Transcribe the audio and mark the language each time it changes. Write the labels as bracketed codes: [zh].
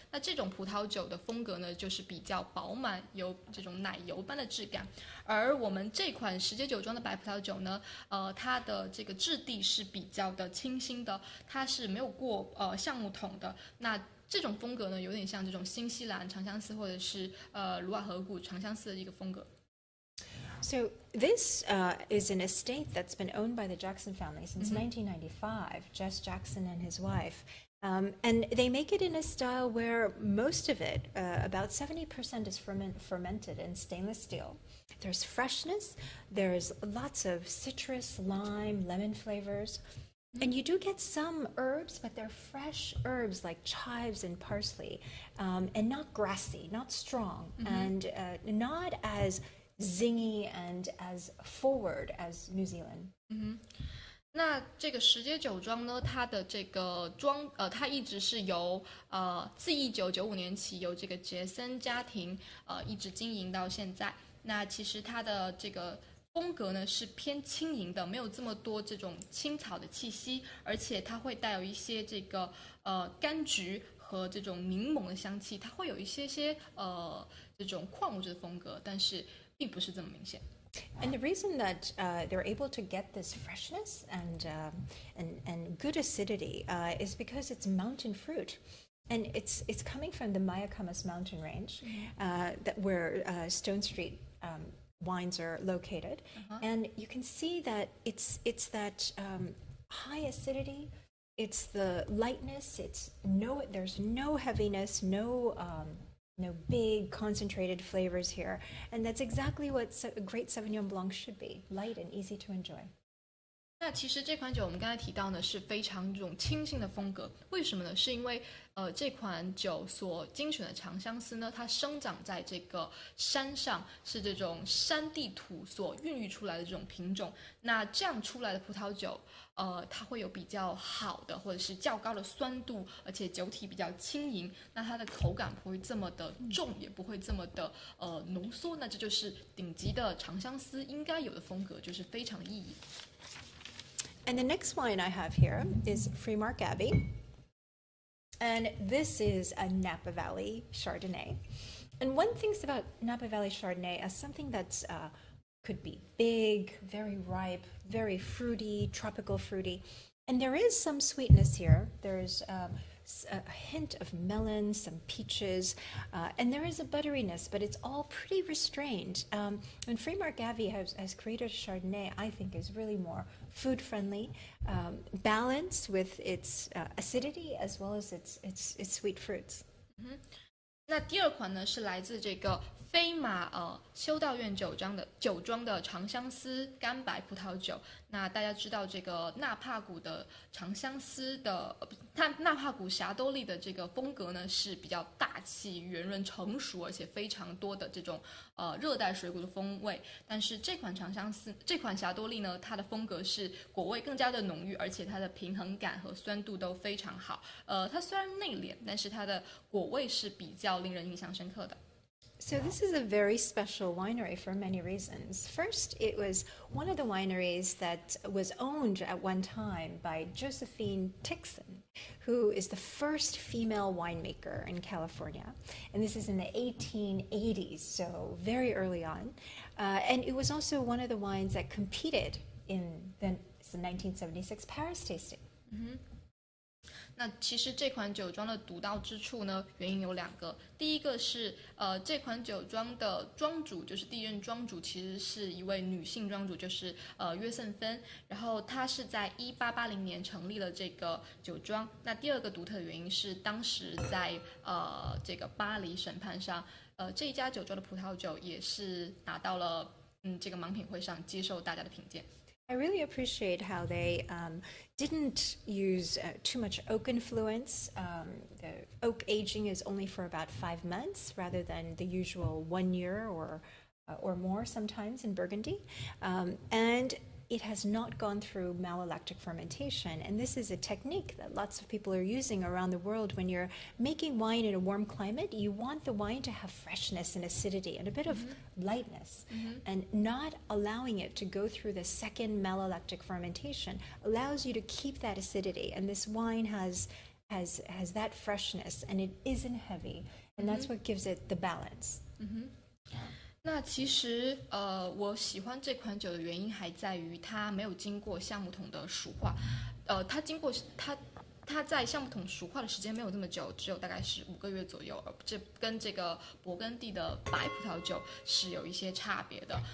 [zh] 那这种葡萄酒的风格呢，就是比较饱满，有这种奶油般的质感。而我们这款十街酒庄的白葡萄酒呢，它的这个质地是比较的清新的，它是没有过橡木桶的。那这种风格呢，有点像这种新西兰长相思或者是卢瓦河谷长相思的一个风格。 [en] So this is an estate that's been owned by the Jackson family since 1995, Jess Jackson and his wife. And they make it in a style where most of it, about 70% is fermented in stainless steel. There's freshness, there's lots of citrus, lime, lemon flavors. And you do get some herbs, but they're fresh herbs like chives and parsley, and not grassy, not strong, and not as zingy and as forward as New Zealand. [zh] 那这个时间酒庄呢，它的这个庄，它一直是由自1995年起由这个杰森家庭一直经营到现在。那其实它的这个风格呢是偏轻盈的，没有这么多这种青草的气息，而且它会带有一些这个柑橘和这种柠檬的香气，它会有一些些这种矿物质的风格，但是并不是这么明显。 [en] And the reason that they're able to get this freshness and good acidity is because it's mountain fruit. And it's coming from the Mayacamas mountain range, where Stone Street wines are located. And you can see that it's that high acidity, it's the lightness, there's no heaviness, no big concentrated flavors here, and that's exactly what a great Sauvignon Blanc should be, light and easy to enjoy. [zh] 那其实这款酒我们刚才提到呢是非常这种清新的风格，为什么呢？是因为这款酒所精选的长相思呢，它生长在这个山上，是这种山地土所孕育出来的这种品种，那这样出来的葡萄酒它会有比较好的或者是较高的酸度，而且酒体比较轻盈，那它的口感不会这么的重，也不会这么的浓缩，那这就是顶级的长相思应该有的风格，就是非常意义。 [en] And the next wine I have here is Fremark Abbey. And this is a Napa Valley Chardonnay. And one thing about Napa Valley Chardonnay as something that's could be big, very ripe, very fruity, tropical fruity. And there is some sweetness here. There's a hint of melon, some peaches, and there is a butteriness, but it's all pretty restrained. And Fremark Abbey has created a Chardonnay, I think, is really more food-friendly, balanced with its acidity as well as its sweet fruits. [zh] 那第二款呢是来自这个飞马修道院酒庄的长相思干白葡萄酒。那大家知道这个纳帕谷的长相思的纳帕谷霞多丽的这个风格呢是比较大气、圆润、成熟，而且非常多的这种热带水果的风味。但是这款长相思这款霞多丽呢，它的风格是果味更加的浓郁，而且它的平衡感和酸度都非常好。它虽然内敛，但是它的果味是比较令人印象深刻的。 [en] So this is a very special winery for many reasons. First, it was one of the wineries that was owned at one time by Josephine Tixon, who is the first female winemaker in California. And this is in the 1880s, so very early on. And it was also one of the wines that competed in the 1976 Paris tasting. [zh] Mm-hmm. 那其实这款酒庄的独到之处呢，原因有两个。第一个是，这款酒庄的庄主，就是第一任庄主，其实是一位女性庄主，就是约瑟芬。然后她是在1880年成立了这个酒庄。那第二个独特的原因是，当时在这个巴黎审判上，这一家酒庄的葡萄酒也是拿到了这个盲品会上接受大家的品鉴。 [en] I really appreciate how they didn't use too much oak influence. The oak aging is only for about 5 months rather than the usual 1 year or more sometimes in Burgundy. And it has not gone through malolactic fermentation. And this is a technique that lots of people are using around the world. When you're making wine in a warm climate, you want the wine to have freshness and acidity and a bit of lightness. Mm-hmm. And not allowing it to go through the second malolactic fermentation allows you to keep that acidity. And this wine has that freshness, and it isn't heavy. And that's what gives it the balance. Mm-hmm. [zh] 那其实我喜欢这款酒的原因还在于它没有经过橡木桶的熟化，它经过它他在橡木桶熟化的时间没有这么久，只有大概是五个月左右，而这跟这个勃艮第的白葡萄酒是有一些差别的。